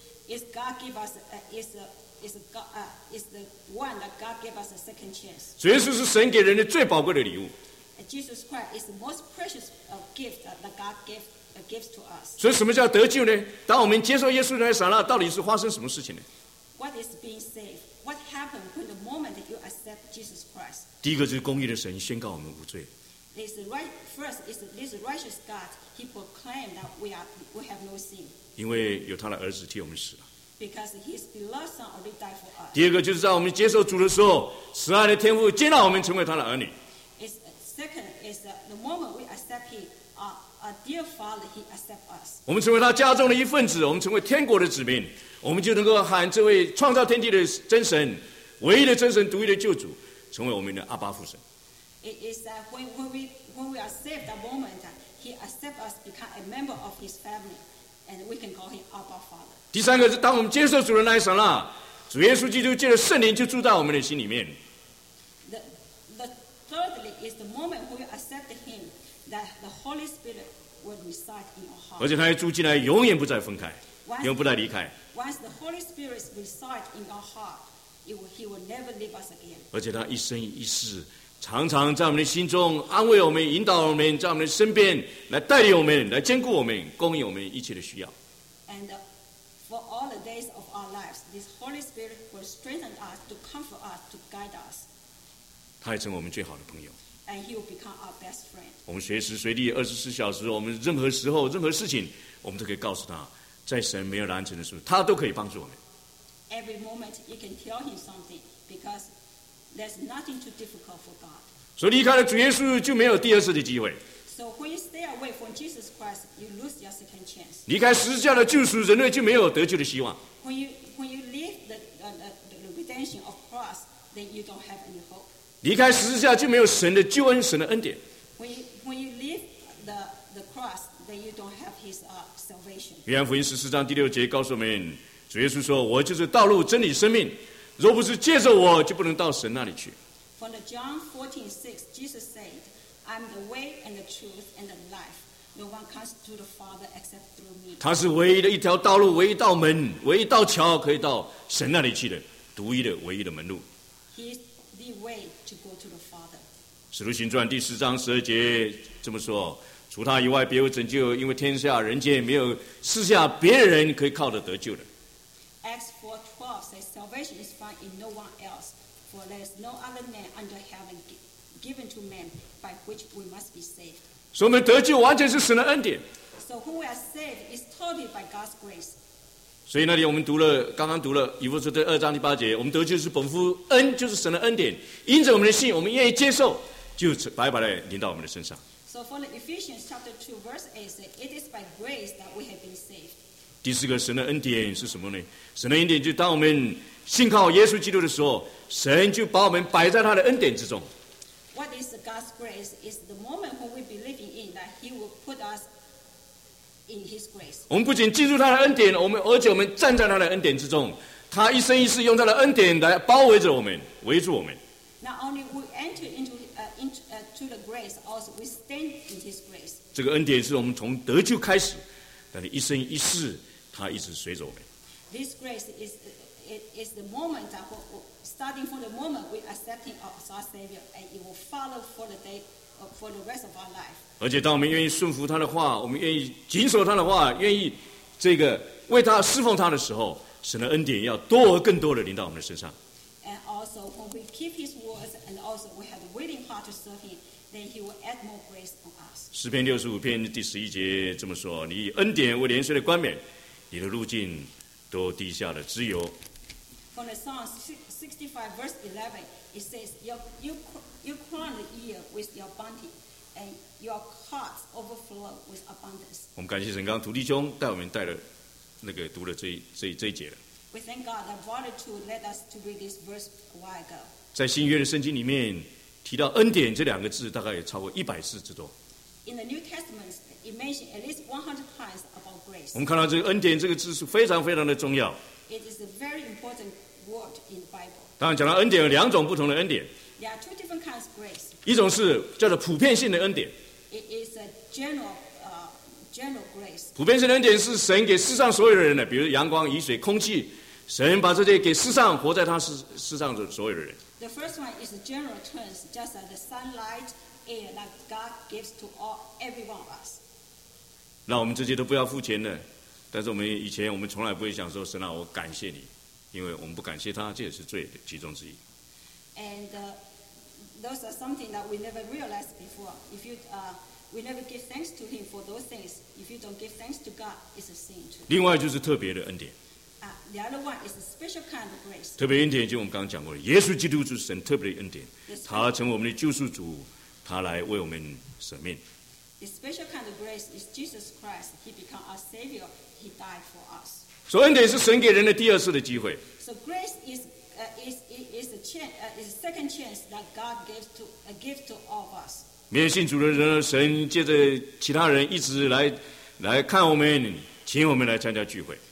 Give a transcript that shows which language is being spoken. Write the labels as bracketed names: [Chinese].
[English] is God give us is the one that God gave us a second chance. [Chinese] 耶稣是神给人的最宝贵的礼物。 [English] Jesus Christ is the most precious gift that God gives to us. [Chinese] 所以什么叫得救呢？当我们接受耶稣来刹那，到底是发生什么事情呢？ [English] What is being saved? What happened when the moment that you accept Jesus Christ? [Chinese] 第一个就是公义的神宣告我们无罪。 [English] It's the right first is this righteous God. He proclaimed that we have no sin. [Chinese] 因为有他的儿子替我们死了。 [English] Because his beloved son already died for us. [Chinese] 第二个就是在我们接受主的时候，慈爱的天父接纳我们成为他的儿女。 [English] It's second is the moment we accept him, our dear father, he accept us. [Chinese] 我们成为他家中的一份子，我们成为天国的子民，我们就能够喊这位创造天地的真神，唯一的真神，独一的救主，成为我们的阿爸父神。 [English] It is that when we are saved, that moment he accept us, become a member of his family, and we can call him Abba Father. [Chinese] 第三个是当我们接受主的那一刹那，主耶稣基督借着圣灵就住在我们的心里面。 [English] The thirdly is the moment when we accept him, that the Holy Spirit will reside in our heart. [Chinese] 而且他也住进来，永远不再分开，永远不再离开。 [English] Once the Holy Spirit resides in our heart, he will never leave us again. [Chinese] 而且他一生一世。常常在我们的心中安慰我们，引导我们，在我们的身边来带领我们，来兼顾我们，供应我们一切的需要。 [English] And for all the days of our lives, this Holy Spirit will strengthen us, to comfort us, to guide us. [Chinese] 他也成为我们最好的朋友。 [English] And he will become our best friend. [Chinese] 我们随时随地24小时，我们任何时候任何事情，我们都可以告诉他，在神没有难成的时候，他都可以帮助我们。 [English] Every moment you can tell him something, becauseThere's nothing too difficult for God. [Chinese] 所以离开了主耶稣就没有第二次的机会。 [English] So when you stay away from Jesus Christ, you lose your second chance. [Chinese] 离开十字架的救赎，人类就没有得救的希望。 [English] When you leave the redemption of cross, then you don't have any hope. [Chinese] 离开十字架就没有神的救恩，神的恩典。 [English] When you leave the cross, then you don't have his salvation. [Chinese] 约翰福音十四章第六节告诉我们，主耶稣说：“我就是道路、真理、生命。” 若不是借着我，就不能到神那里去。 [English] From the John 14:6, Jesus said, "I'm the way and the truth and the life. No one comes to the Father except through me." [Chinese] 他是唯一的一条道路，唯一道门，唯一道桥，可以到神那里去的，独一的、唯一的门路。 [English] He is the way to go to the Father. [Chinese] 使徒行传第四章十二节这么说：除他以外，别无拯救，因为天下人间没有赐下别人可以靠着得救的。 [English] Acts 4:12 says salvation is found in no one else, for there is no other name under heaven given to men by which we must be saved. [Chinese] 所以我们得救完全是神的恩典。 [English] So who we are saved is totally by God's grace. [Chinese] 所以那里我们读了，刚刚读了以弗所书二章第八节，我们得救是本乎恩，就是神的恩典，因着我们的信，我们愿意接受，就白白的临到我们的身上。 [English] So for the Ephesians chapter 2 verse 8 says it is by grace that we have been saved. [Chinese] 第四个神的恩典是什么呢？神的恩典就当我们信靠耶稣基督的时候，神就把我们摆在他的恩典之中。 [English] What is God's grace is the moment when we believe in that He will put us in His grace. [Chinese] 我们不仅进入他的恩典，而且我们站在他的恩典之中，他一生一世用他的恩典来包围着我们，围住我们。 [English] Not only we enter into the grace, also we stand in His grace. [Chinese] 这个恩典是我们从得救开始。但是一生一世，他一直随着我们。 [English] This grace is the moment that starting from the moment we accepting our Savior, and it will follow for the day for the rest of our life. [Chinese] 而且，当我们愿意顺服他的话，我们愿意谨守他的话，愿意这个为他侍奉他的时候，神的恩典要多而更多的临到我们的身上。 [English] And also, when we keep His words, and also we have a willing heart to serve Him. Then he will add more grace on us. [Chinese] 诗篇六十五篇第十一节这么说：“你以恩典为连续的冠冕，你的路径都地下的自由。” [English] From the Psalms 65 verse 11, it says, "You crown the year with your bounty, and your hearts overflow with abundance." [Chinese] 我们感谢神，刚刚徒弟兄带我们带了那个读了这一节了。 [English] We thank God that brother too led us to read this verse a while ago. [Chinese] 在新约的圣经里面。提到恩典这两个字大概也超过100次之多。 [English] In the New Testament, it mentioned at least 100 times about grace. [Chinese] 我们看到这个恩典这个字是非常非常的重要。 [English] It is a very important word in the Bible. [Chinese] 当然讲到恩典有两种不同的恩典。 [English] There are two different kinds of grace. [Chinese] 一种是叫做普遍性的恩典。 [English] It is a general, general grace. [Chinese] 普遍神恩典是神给世上所有的人的，比如阳光、雨水、空气，神把这些给世上活在他世上的所有的人。 [English] The first one is general terms, just like the sunlight, air that God gives to all every one of us. [Chinese] 那我们这些都不要付钱的，但是我们以前我们从来不会想说神啊，我感谢你，因为我们不感谢他，这也是罪的其中之一。 [English] And those are something that we never realized before. If you we never give thanks to Him for those things. If you don't give thanks to God, it's a sin too. [Chinese] 另外就是特别的恩典。 [English] The other one is a special kind of grace. [Chinese] 特别恩典就我们刚刚讲过的，耶稣基督就是神特别的恩典，他成为我们的救赎主，他来为我们舍命。 [English] The special kind of grace is Jesus Christ. He became our Savior. He died for us. [Chinese] 所以恩典是神给人的第二次的机会。 [English] So grace is a second chance that God gives to a gift to all of us. [Chinese] 没有信主的人，神借着其他人一直来看我们，请我们来参加聚会。